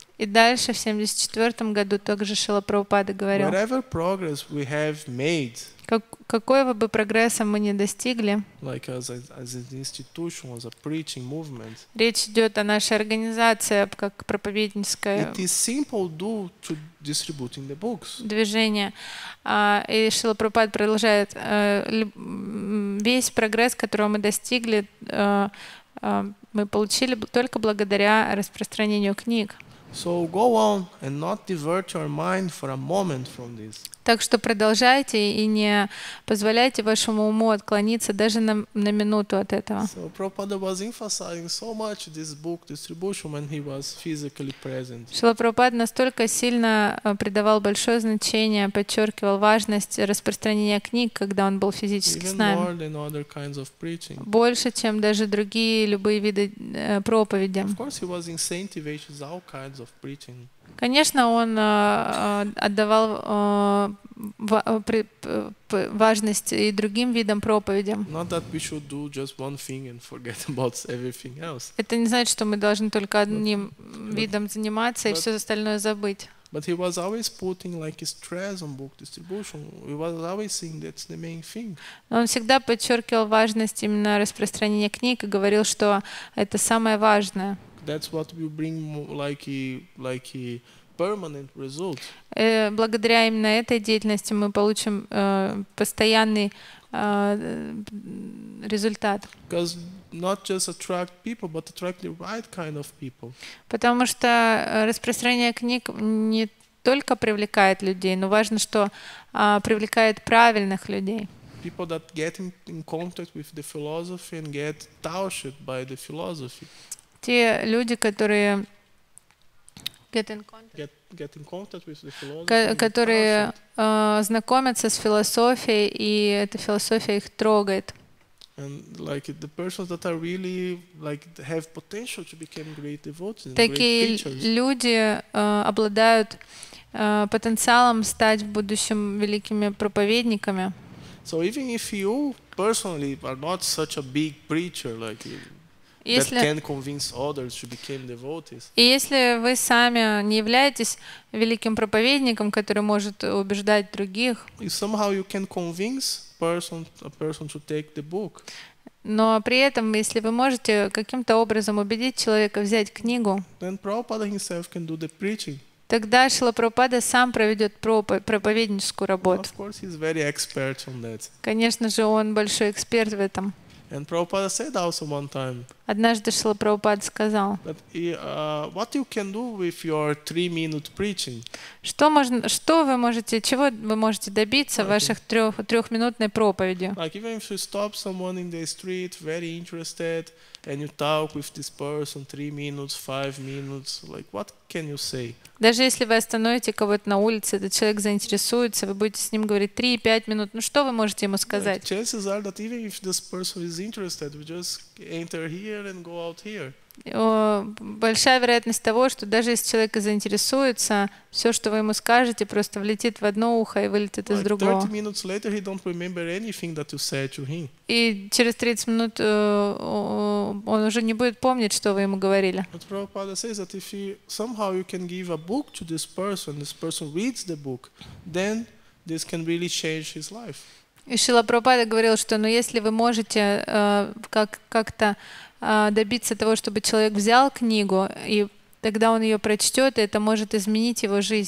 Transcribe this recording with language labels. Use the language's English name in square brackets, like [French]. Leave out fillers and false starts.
[Russian] И дальше в 74 году также Шрила Прабхупада говорил. [English] Whatever progress we have made. [Russian] Какого бы прогресса мы ни достигли. [English] Like as an institution, as a preaching movement. [Russian] Речь идет о нашей организации как проповедническая. [English] It is simple due to distributing the books. [Russian] Движение. И Шрила Прабхупада продолжает. Весь прогресс, которого мы достигли, мы получили только благодаря распространению книг. [English] So go on and not divert your mind for a moment from this. [Russian] Так что продолжайте и не позволяйте вашему уму отклониться даже на минуту от этого. [English] So Prabhupada was emphasizing so much this book distribution when he was physically present. [Russian] Шрила Прабхупада настолько сильно придавал большое значение, подчеркивал важность распространения книг, когда он был физически [English] even [Russian] с нами. [English] More than other kinds of preaching. [Russian] Больше, чем даже другие любые виды проповеди. [English] Of course he was incentivizing all kinds of preaching. [Russian] Конечно, он отдавал важность и другим видам проповедям. [English] Not that we should do just one thing and forget about everything else. [Russian] Это не значит, что мы должны только одним видом заниматься и все остальное забыть. [English] But he was always putting like stress on book distribution. He was always saying that's the main thing. [Russian] Он всегда подчеркивал важность именно распространения книг и говорил, что это самое важное. [English] that's what we bring like permanent result. [Russian] Благодаря именно этой деятельности мы получим постоянный результат. [English] Because not just attract people, but attract the right kind of people. [Russian] Потому что распространение книг не только привлекает людей, но важно, что привлекает правильных людей. [English] People that get in contact with the philosophy and get touched by the philosophy. [Russian] Те люди, которые которые знакомятся с философией, и эта философия их трогает. [English] And like the persons that are really like have potential to become great devotees. [Russian] Такие люди обладают потенциалом стать в будущем великими проповедниками. [English] So even if you personally are not such a big preacher like you, [Russian] если, [English] that can convince others to become devotees. [Russian] И если вы сами не являетесь великим проповедником, который может убеждать других, [English] if somehow you can convince a person to take the book. [Russian] Но при этом, если вы можете каким-то образом убедить человека взять книгу, [English] then Prabhupada himself can do the preaching. [Russian] Тогда Шрила Прабхупада сам проведет проповедническую работу. [English] Well, of course, he's very expert on that. [Russian] Конечно же, он большой эксперт в этом. [English] And Prabhupada said also one time. [Russian] Однажды Шрила Прабхупада сказал. [English] But what you can do with your 3-minute preaching? [Russian] Чего вы можете добиться в ваших трехминутной проповеди? [English] Like even if you stop someone in the street, very interested, and you talk with this person 3 minutes, 5 minutes, like what can you say? [Russian] Даже если вы остановите кого-то на улице, этот человек заинтересуется, вы будете с ним говорить 3-5 минут, ну что вы можете ему сказать? [English] Like, chances are that even if this person is interested, we just enter here and go out here. [Russian] Большая вероятность того, что даже если человек заинтересуется, все, что вы ему скажете, просто влетит в одно ухо и вылетит из другого. [English] 30 minutes later he don't remember anything that you said to him. [Russian] И через 30 минут он уже не будет помнить, что вы ему говорили. [English] But Prabhupada says that if somehow you can give a book to this person reads the book, then this can really change his life. [Russian] И Шрила Прабхупада говорил, что если вы можете как-то добиться того, чтобы человек взял книгу, и тогда он ее прочтет, и это может изменить его